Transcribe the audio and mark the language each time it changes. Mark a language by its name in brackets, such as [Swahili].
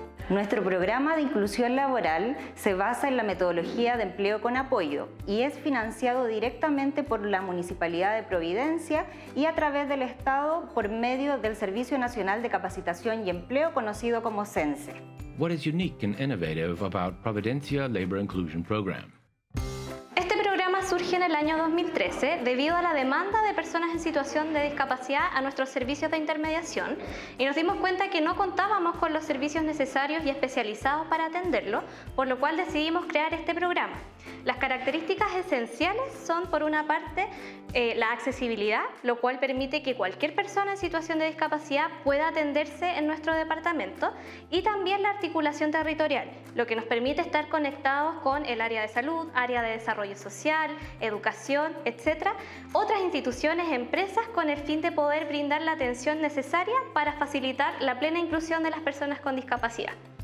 [Spanish] Nuestro programa de inclusión laboral se basa en la metodología de empleo con apoyo y es financiado directamente por la Municipalidad de Providencia y a través del Estado por medio del Servicio Nacional de Capacitación y Empleo, conocido como SENSE. [English] What is unique and innovative about Providencia Labor Inclusion Program? [Spanish] Este programa surge en el año 2013 debido a la demanda de personas en situación de discapacidad a nuestros servicios de intermediación y nos dimos cuenta que no contábamos con los servicios necesarios y especializados para atenderlo, por lo cual decidimos crear este programa. Las características esenciales son, por una parte, la accesibilidad, lo cual permite que cualquier persona en situación de discapacidad pueda atenderse en nuestro departamento, y también la articulación territorial, lo que nos permite estar conectados con el área de salud, área de desarrollo social, educación, etcétera, otras instituciones, empresas, con el fin de poder brindar la atención necesaria para facilitar la plena inclusión de las personas con discapacidad.